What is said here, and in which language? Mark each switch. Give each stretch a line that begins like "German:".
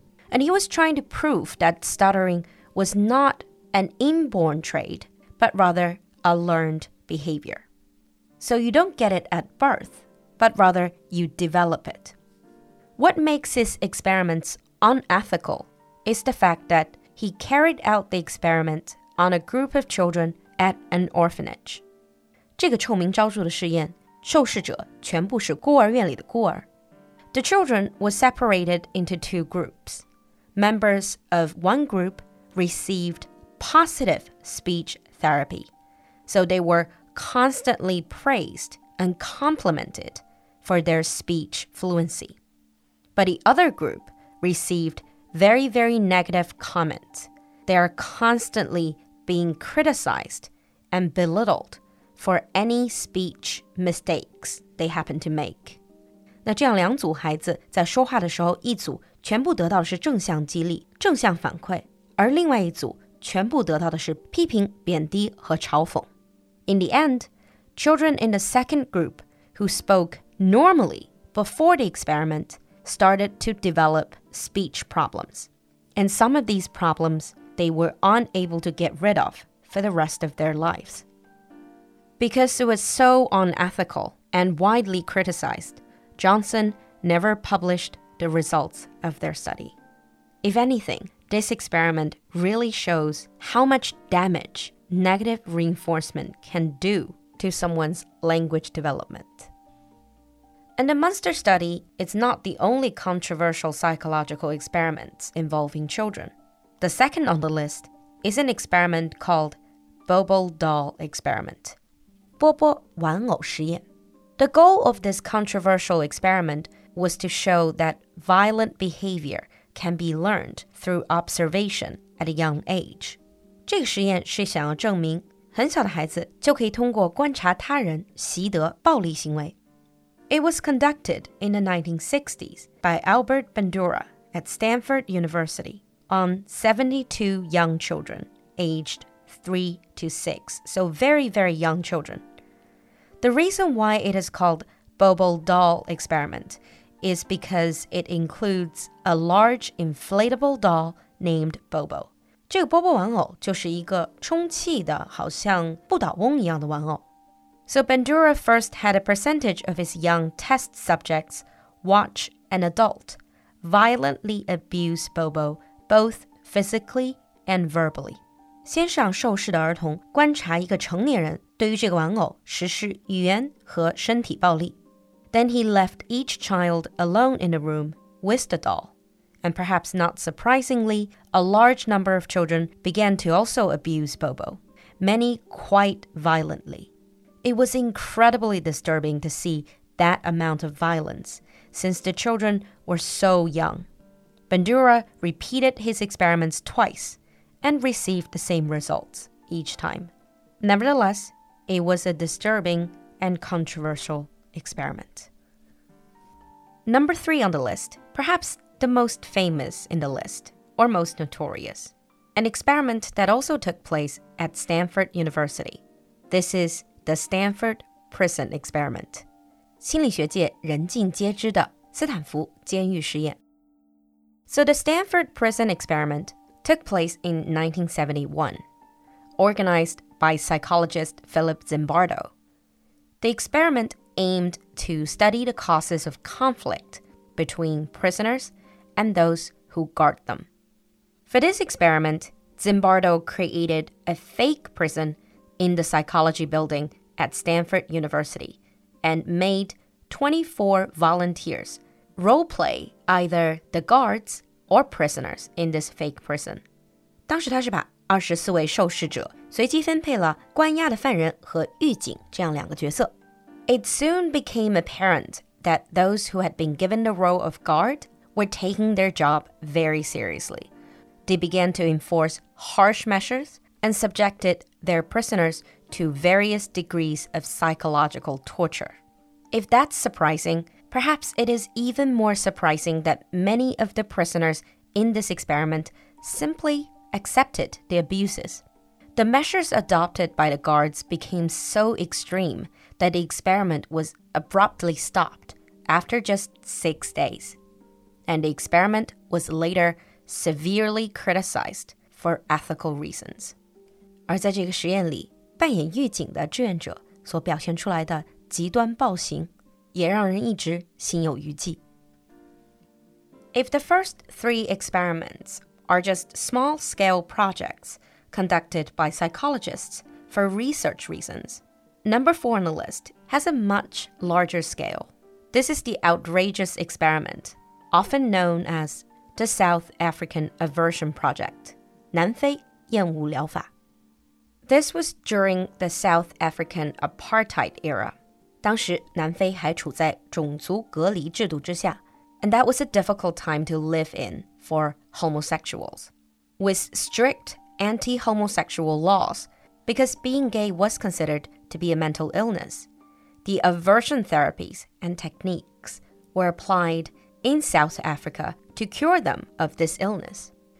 English: And he was trying to prove that stuttering was not an inborn trait, but rather a learned behavior. So you don't get it at birth, but rather you develop it. What makes his experiments unethical is the fact that he carried out the experiment on a group of children at an orphanage.
Chinese: 这个臭名昭著的实验，受试者全部是孤儿院里的孤儿。
English: The children were separated into two groups. Members of one group received positive speech therapy, so they were... constantly praised and complimented for their speech fluency. But the other group received very, very negative comments. They are constantly being criticized and belittled for any speech mistakes they happen to make.
Chinese: 那这样两组孩子在说话的时候，一组全部得到的是正向激励，正向反馈，而另外一组全部得到的是批评、贬低和嘲讽。
English: In the end, children in the second group who spoke normally before the experiment started to develop speech problems. And some of these problems they were unable to get rid of for the rest of their lives. Because it was so unethical and widely criticized, Johnson never published the results of their study. If anything, this experiment really shows how much damageNegative reinforcement can do to someone's language development. And the Munster study is not the only controversial psychological experiment involving children. The second on the list is an experiment called Bobble Doll Experiment.
Chinese: 波波玩偶实验。
English: The goal of this controversial experiment was to show that violent behavior can be learned through observation at a young age.
Chinese: 这个实验是想要证明很小的孩子就可以通过观察他人习得暴力行为。
English: It was conducted in the 1960s by Albert Bandura at Stanford University on 72 young children aged 3 to 6, so very, very young children. The reason why it is called Bobble Doll Experiment is because it includes a large inflatable doll named Bobo.
Chinese: 这个 Bobo 玩偶就是一个充气的好像不倒翁一样的玩偶。
English: So Bandura first had a percentage of his young test subjects watch an adult violently abuse Bobo both physically and verbally.
Chinese: 先是让受试的儿童观察一个成年人对于这个玩偶实施语言和身体暴力。
English: Then he left each child alone in a room with the doll. And perhaps not surprisingly, a large number of children began to also abuse Bobo, many quite violently. It was incredibly disturbing to see that amount of violence, since the children were so young. Bandura repeated his experiments twice and received the same results each time. Nevertheless, it was a disturbing and controversial experiment. Number 3 on the list, perhaps the most famous in the list, or most notorious. An experiment that also took place at Stanford University. This is the Stanford Prison Experiment.
Chinese: 心理学界人尽皆知的斯坦福监狱实验。
English: So the Stanford Prison Experiment took place in 1971, organized by psychologist Philip Zimbardo. The experiment aimed to study the causes of conflict between prisoners and those who guard them. For this experiment, Zimbardo created a fake prison in the psychology building at Stanford University and made 24 volunteers role-play either the guards or prisoners in this fake prison.
Chinese: 当时他是把24位受试者随机分配了关押的犯人和狱警这样两个角色。
English: It soon became apparent that those who had been given the role of guard were taking their job very seriously. They began to enforce harsh measures and subjected their prisoners to various degrees of psychological torture. If that's surprising, perhaps it is even more surprising that many of the prisoners in this experiment simply accepted the abuses. The measures adopted by the guards became so extreme that the experiment was abruptly stopped after just 6 days. And the experiment was later severely criticized for ethical reasons.
Chinese: 而在这个实验里，扮演狱警的志愿者所表现出来的极端暴行，也让人一直心有余悸。
English: If the first three experiments are just small-scale projects conducted by psychologists for research reasons, number 4 on the list has a much larger scale. This is the outrageous experiment. Often known as the South African Aversion Project,
Chinese: 南非厌恶疗法。
English: This was during the South African Apartheid era.
Chinese: 当时南非还处在种族隔离制度之下。
English: And that was a difficult time to live in for homosexuals. With strict anti-homosexual laws, because being gay was considered to be a mental illness, the aversion therapies and techniques were appliedin South Africa to cure them of this illness.